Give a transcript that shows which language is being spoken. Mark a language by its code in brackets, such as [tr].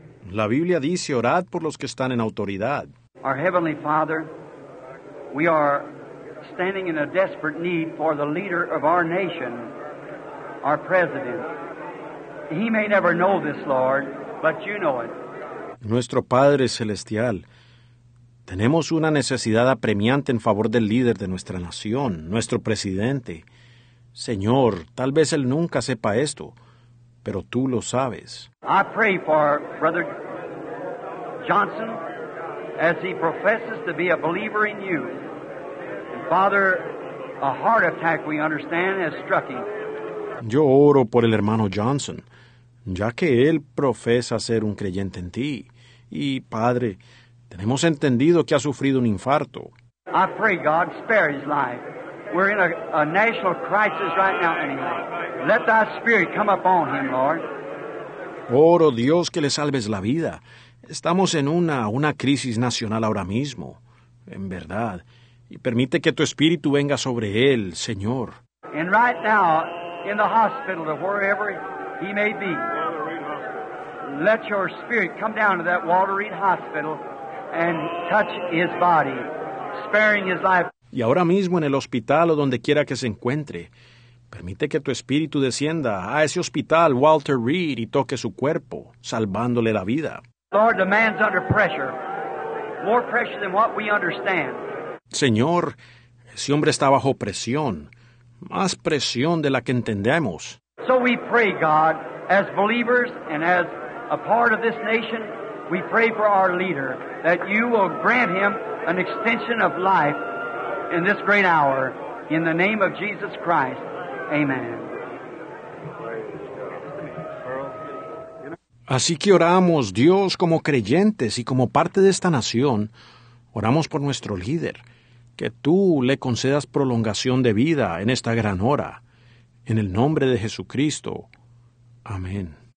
[es] La Biblia dice, orad por los que están en autoridad. [en] Our Heavenly Father, we are standing in a desperate need for the leader of our nation, our president. He may never know this, Lord, but you know it. [es] Nuestro Padre Celestial, tenemos una necesidad apremiante en favor del líder de nuestra nación, nuestro presidente. Señor, tal vez él nunca sepa esto, pero tú lo sabes. [en] I pray for Brother Johnson as he professes to be a believer in you. And Father, a heart attack, we understand, has struck him. [es] Yo oro por el hermano Johnson, ya que él profesa ser un creyente en ti. Y, Padre, tenemos entendido que ha sufrido un infarto. [en] I pray God spare his life. We're in a national crisis right now anyway. Let thy spirit come upon him, Lord. [es] Oro, Dios, que le salves la vida. Estamos en una crisis nacional ahora mismo, en verdad. Y permite que tu espíritu venga sobre él, Señor. [en] And right now, in the hospital, or wherever he may be, let your spirit come down to that Walter Reed Hospital and touch his body, sparing his life. [es] Y ahora mismo en el hospital o donde quiera que se encuentre, permite que tu espíritu descienda a ese hospital, Walter Reed, y toque su cuerpo, salvándole la vida. [en] Lord, the man's under pressure, more pressure than what we understand. [es] Señor, ese hombre está bajo presión, más presión de la que entendemos. [en] So we pray, God, as believers and as a part of this nation, we pray for our leader, that you will grant him an extension of life in this great hour, in the name of Jesus Christ. Amen. [es] Así que oramos, Dios, como creyentes y como parte de esta nación, oramos por nuestro líder, que tú le concedas prolongación de vida en esta gran hora. En el nombre de Jesucristo. Amén.